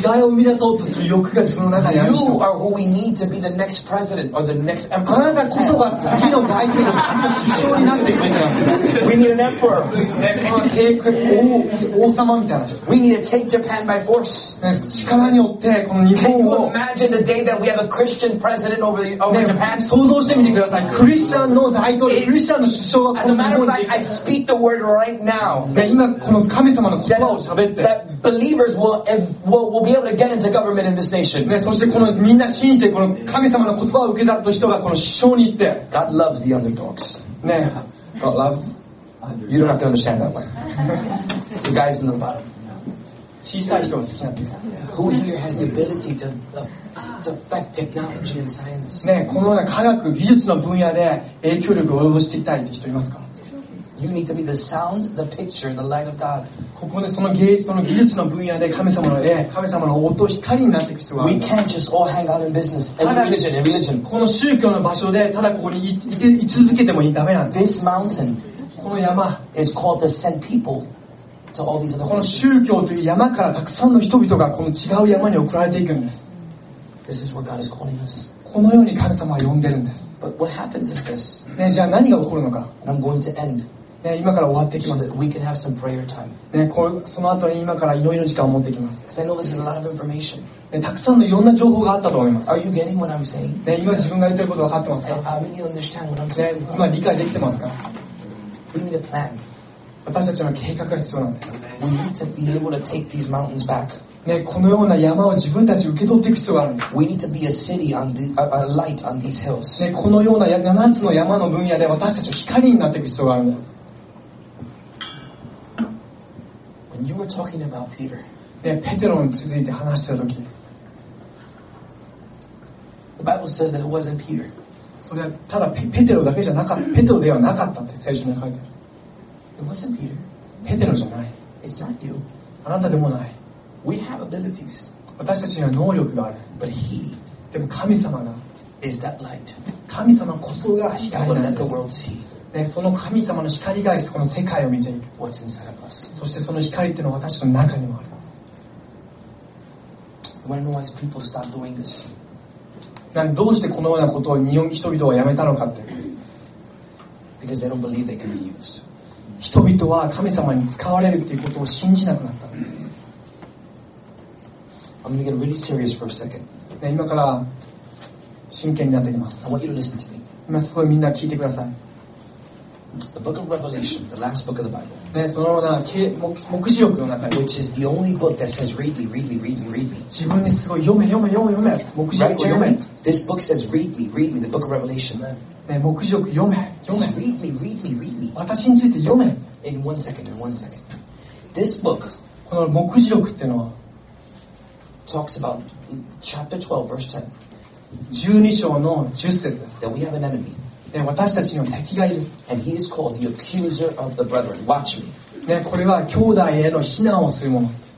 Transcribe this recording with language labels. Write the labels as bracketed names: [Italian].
[English] You are who we need to be the next president or the next emperor. We need an emperor. We need to take Japan by force. Can you imagine the day that we have a Christian president over Japan? [Japanese] 想像してみてください。クリスチャンの大統領、クリスチャンの首相が。 [English] As a matter of fact, I speak the word right now. [Japanese] 今この神様の言葉を喋って。 [English] That believers will be able to get into government in this nation. [Japanese] そしてこのみんな信じてこの神様の言葉を受けた人がこの首相に行って。 [English] God loves the underdogs. God loves. You don't have to understand that one. The guys in the bottom. [Japanese] 小さい人が好きなんです。 [English] Who here has the ability to affect technology and science? [Japanese] ね、このような科学技術の分野で影響力を及ぼしていたいという人いますか? [English] You need to be the sound, the picture, the light of God. [Japanese] ここでその芸術の技術の分野で神様の霊、神様の音、光になっていく必要がある。 [English] We can't just all hang out in business and religion and religion. [Japanese] この宗教の場所でただここに居続けてもダメなんです。 [English] This mountain, [Japanese] この山 [English] is called to send people. To all these other [Japanese] この宗教という山からたくさんの人々がこの違う山に送られていくんです [English] This is what God is calling us. [Japanese] このように神様は呼んでるんです [English] But what happens is this.、 [Japanese] ね、じゃあ何が起こるのか [English] I'm going to end.、 [Japanese] ね、今から終わってきます [English] so we can have some prayer time.、 [Japanese] ね、その後に今から祈りの時間を持ってきます [English] Because I know this is a lot of information.、 [Japanese] ね、たくさんのいろんな情報があったと思います [English] Are you getting what I'm saying?、 [Japanese] ね、今自分が言ってること分かってますか [English] I mean you understand what I'm talking about.、 [Japanese] ね、今理解できてますか [English] We need a plan. [Japanese] 私たちの計画が必要なんです。 [English] We need to be able to take these mountains back. [Japanese] ね、このような山を自分たち受け取っていく必要があるんです。 [English] We need to be a city on the, a light on these hills. [Japanese] ね、このような7つの山の分野で私たちは光になっていく必要があるんです。 [English] When you were talking about Peter, [Japanese] ね、ペテロに続いて話したとき、 [English] The Bible says that it wasn't Peter. [Japanese] それはただペテロだけじゃなかった、ペテロではなかったって聖書に書いてある。 [English] It wasn't Peter. [Japanese] ペテロじゃない。 [English] It's not you. [Japanese] あなたでもない。 [English] We have abilities. [Japanese] 私たちには能力がある。 [English] But he. [Japanese] でも神様が [English] is that light. [Japanese] 神様こそが光なんです。 [English] Let the world see. [Japanese] ね、その神様の光がこの世界を見ていく。 [English] What's inside of us? [Japanese] そしてその光っていうのは私の中にもある。 [English] When do these people stop doing this? [Japanese] なんどうしてこのようなことを日本人々はやめたのかって。 [English] Because they don't believe they can be used. [Japanese] 人々は神様に使われるということを信じなくなったんです。 [English] I'm gonna get really serious for a second. [Japanese] ね、今から真剣になってきます。 [English] I want you to listen to me. [Japanese] 今すごいみんな聞いてください。 [English] The Book of Revelation, the last book of the Bible. [Japanese] ね、そのような黙示録の中に、 [English] which is the only book that says read me, read me, read me, read me. [Japanese] 自分にすごい読め読め読め読め黙示録読め。 [English] This book says read me, read me, the Book of Revelation, man. [Japanese] ね、目次を読め、読め。 [English] Read me, read me, read me. [Japanese] 私について読め。 [English] In one second, in one second. This book, [Japanese] この目次録っていうのは、 [English] talks about chapter 12, verse 10. [Japanese] 12章の10節です。 [English] That we have an enemy. [Japanese] ね、私たちには敵がいる。 [English] And he is called the accuser of the brethren. Watch me. [Japanese] ね、これは兄弟への非難をするもの。